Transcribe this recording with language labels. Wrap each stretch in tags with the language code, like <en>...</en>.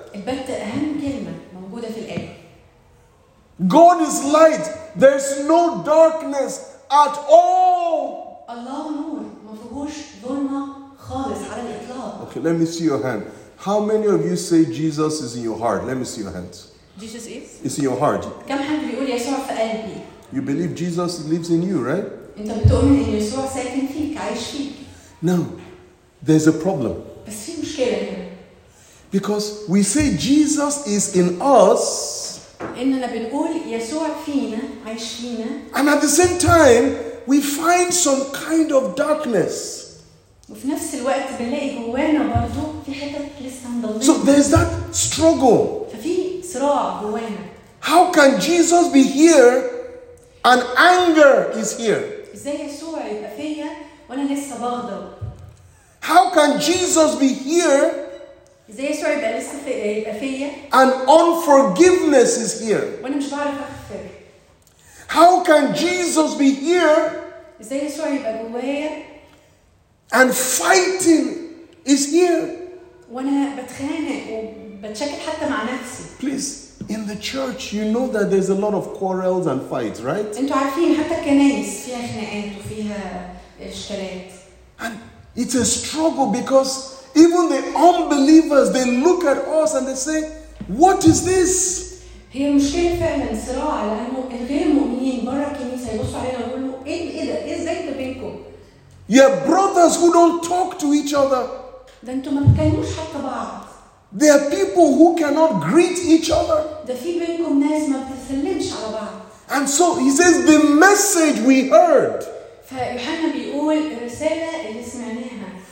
<ar>البتة اهم كلمة موجودة في الآية</ar> <en>God is light there's no darkness at all</en> <ar>الله نور مفهوش ظلمة خالص على الإطلاق</ar> <en>okay let me see your hand how many of you say Jesus is in your heart let me see your hands Jesus is? It's in your heart.</en> <ar>كم حد بيقول يسوع في قلبي؟</ar> <en>You believe Jesus lives in you, right?</en> <ar>أنت بتؤمن إن يسوع ساكن فيك، عايش فيك.</ar> <en>No, there's a problem.</en> <ar>بس في مشكلة هنا.</ar> <en>Because we say Jesus is in us.</en> <ar>إننا بنقول يسوع فينا عايش فينا.</ar> <en>And at the same time, we find some kind of darkness.</en> <ar>وفي نفس الوقت بنلاقي جوانا برضو في حتة لسه مضلمة.</ar> <en>So there's that struggle.</en> <ar>ففي صراع جوانا.</ar> <en>How can Jesus be here and anger is here?</en> <ar>إزاي يسوع يبقى فيا وأنا لسه بغضب؟</ar> <en>How can Jesus be here?</en> <ar>إزاي يسوع يبقى لسه يبقى فيا؟</ar> <en>And unforgiveness is here.</en> <ar>وأنا مش بعرف أغفر.</ar> <en>How can Jesus be here?</en> <ar>إزاي يسوع يبقى جوايا؟</ar> <en>And fighting is here.</en> <ar>وأنا بتخانق وبتشكل حتى مع نفسي.</ar> <en>Please. In the church, you know that there's a lot of quarrels and fights, right?</en> <ar>انتوا عارفين حتى الكنائس فيها خناقات وفيها اشكالات.</ar> <en>And it's a struggle because even the unbelievers, they look at us and they say, "What is this?"</en> <ar>هي المشكلة فعلا صراع لانه الغير مؤمنين برا الكنيسة يبصوا علينا ويقولوا ايه ده؟ ايه ازاي ده بينكم؟</ar> <en>Yeah, brothers who don't talk to each other.</en> <ar>ده انتوا ما بتكلموش حتى بعض.</ar> <en>There are people who cannot greet each other.</en> <ar>ده في بينكم ناس ما بتسلمش على بعض.</ar> <en>And so he says the message we heard.</en> <ar>فيوحنا بيقول الرسالة اللي سمعناها.</ar>